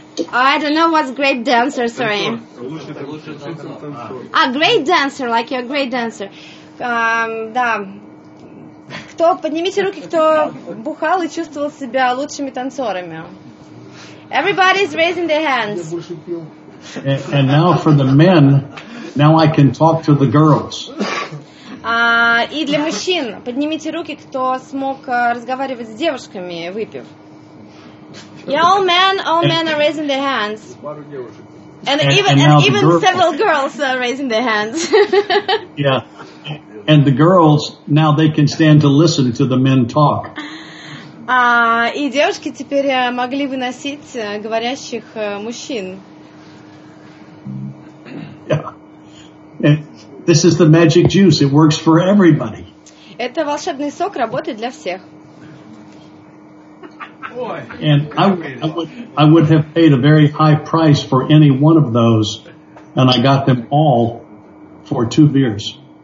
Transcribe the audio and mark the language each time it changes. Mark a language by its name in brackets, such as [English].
[English] I don't know what's great dancer, sorry. A great dancer, like you're a great dancer. [Russian] Да, Кто, поднимите руки, кто бухал и чувствовал себя лучшими танцорами. [English] Everybody's raising their hands. And now for the men, now I can talk to the girls. [Russian] И для мужчин, поднимите руки, кто смог разговаривать с девушками, выпив. [English] Yeah, all men are raising their hands. And even girls, several girls are raising their hands. Yeah. And the girls, now they can stand to listen to the men talk. [Russian] И девушки теперь могли выносить говорящих мужчин. [English] Yeah. And this is the magic juice. It works for everybody. [Russian] Это волшебный сок, работает для всех. [English] And I would have paid a very high price for any one of those, and I got them all for two beers.